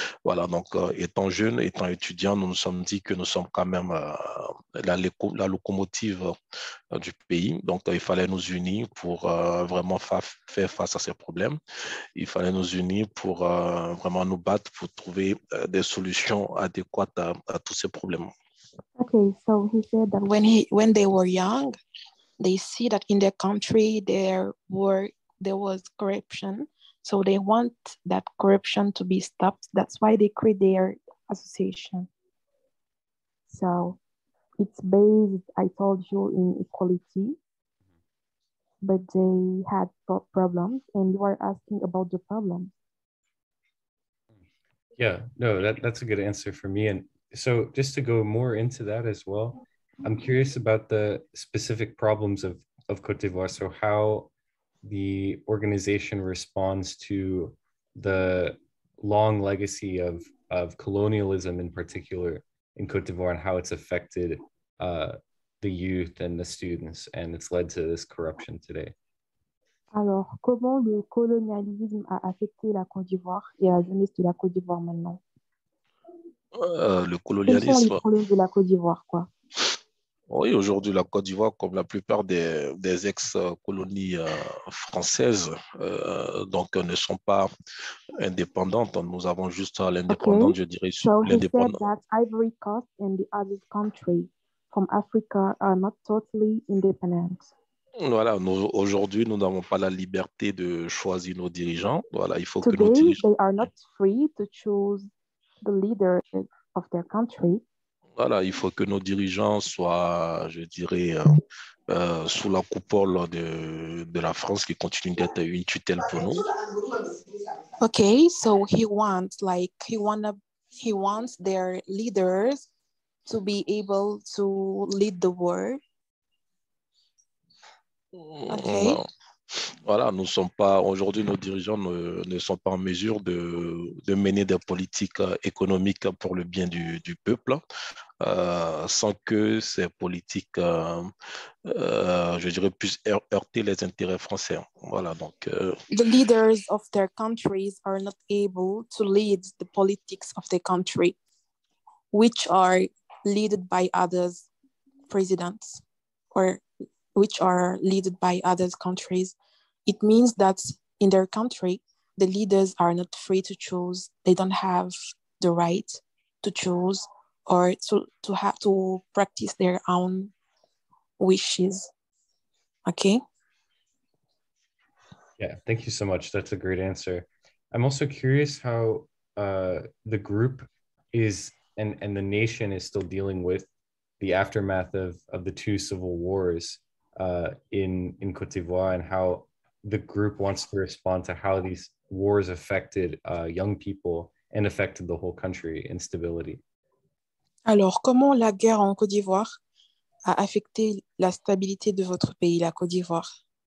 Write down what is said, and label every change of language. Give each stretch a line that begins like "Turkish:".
French: Voilà, donc, étant jeune, étant étudiant, nous nous sommes dit que nous sommes quand même la locomotive du pays. Donc, il fallait nous unir pour vraiment fa faire face à ces problèmes. Il fallait nous unir pour vraiment nous battre pour trouver des solutions adéquates à tous ces problèmes.
English: Okay, so he said that when they were young, they see that in their country there was corruption, so they want that corruption to be stopped. That's why they create their association. So it's based, I told you, in equality, but they had problems, and you are asking about the problems. Yeah, no, that's a good answer for me. And so just to go more into that as well, I'm curious about the specific problems of Côte d'Ivoire. So how the organization responds to the long legacy of colonialism in particular in Côte d'Ivoire, and how it's affected the youth and the students, and it's led to this corruption today.
French: Alors, comment le colonialisme a affecté la Côte d'Ivoire et la jeunesse de la Côte d'Ivoire maintenant? Le colonialisme. Quels sont les problèmes de la Côte d'Ivoire, quoi? Oui, aujourd'hui, la Côte d'Ivoire, comme la plupart des ex-colonies françaises, donc ne sont pas indépendantes. Nous avons juste l'indépendance,
English: okay.
French: Je dirais, so l'indépendance.
English: So he said that Ivory Coast and the other countries from Africa are not totally independent.
French: Voilà, aujourd'hui, nous n'avons pas la liberté de choisir nos dirigeants. Voilà, il faut
English: today,
French: que nos dirigeants...
English: they are not free to choose the leader of their country.
French: Voilà, il faut que nos dirigeants soient, je dirais, sous la coupole de la France qui continue d'être une tutelle pour nous.
English: Okay, so he wants their leaders to be able to lead the world. Okay.
French: Voilà, nous sommes pas aujourd'hui, nos dirigeants ne sont pas en mesure de mener des politiques économiques pour le bien du peuple sans que ces politiques je dirais puissent heurter les intérêts français. Voilà, donc
English: the leaders of their countries are not able to lead the politics of their country, which are led by others presidents or which are led by other countries. It means that in their country, the leaders are not free to choose. They don't have the right to choose or to have to practice their own wishes. Okay? Yeah, thank you so much. That's a great answer. I'm also curious how the group is and the nation is still dealing with the aftermath of the two civil wars in Côte d'Ivoire, and how the group wants to respond to how these wars affected young people and affected the whole country in stability.
French: Alors, comment la guerre en Côte d'Ivoire a affecté la stabilité de votre pays, la Côte d'Ivoire?